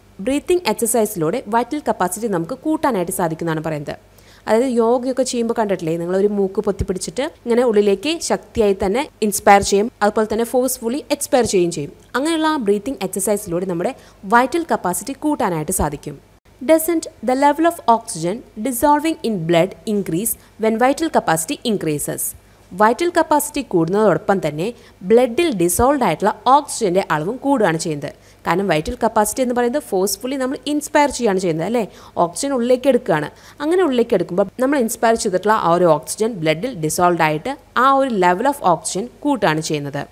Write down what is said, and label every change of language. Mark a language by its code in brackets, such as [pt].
[ml] Breathing എക്സസൈസിലൂടെ vital capacity നമുക്ക് കൂട്ടാനായിട്ട് സാധിക്കുന്നതാണ് പറയുന്നത്. അതായത് യോഗയൊക്കെ ചെയ്യുമ്പോൾ കണ്ടിട്ടില്ലേ, നിങ്ങളൊരു മൂക്ക് പൊത്തി പിടിച്ചിട്ട് ഇങ്ങനെ ഉള്ളിലേക്ക് ശക്തിയായി തന്നെ ഇൻസ്പയർ ചെയ്യും, അതുപോലെ തന്നെ ഫോഴ്സ്ഫുള്ളി എക്സ്പയർ ചെയ്യുകയും ചെയ്യും. അങ്ങനെയുള്ള ആ ബ്രീത്തിങ് എക്സസൈസിലൂടെ നമ്മുടെ വൈറ്റൽ കപ്പാസിറ്റി കൂട്ടാനായിട്ട് സാധിക്കും. [en] Doesn't the level of oxygen dissolving in blood increase when vital capacity increases? [ml] Vital capacity കൂടുന്നതോടൊപ്പം തന്നെ ബ്ലഡിൽ ഡിസോൾവ്ഡ് ആയിട്ടുള്ള ഓക്സിജൻ്റെ അളവും കൂടുകയാണ് ചെയ്യുന്നത്. കാരണം വൈറ്റൽ കപ്പാസിറ്റി എന്ന് പറയുന്നത് ഫോഴ്സ്ഫുള്ളി നമ്മൾ ഇൻസ്പയർ ചെയ്യുകയാണ് ചെയ്യുന്നത് അല്ലേ, ഓക്സിജൻ ഉള്ളിലേക്ക് എടുക്കുകയാണ്. അങ്ങനെ ഉള്ളിലേക്ക് എടുക്കുമ്പോൾ നമ്മൾ ഇൻസ്പയർ ചെയ്തിട്ടുള്ള ആ ഒരു ഓക്സിജൻ ബ്ലഡിൽ ഡിസോൾവ്ഡ് ആയിട്ട് ആ ഒരു ലെവൽ ഓഫ് ഓക്സിജൻ കൂട്ടുകയാണ് ചെയ്യുന്നത്.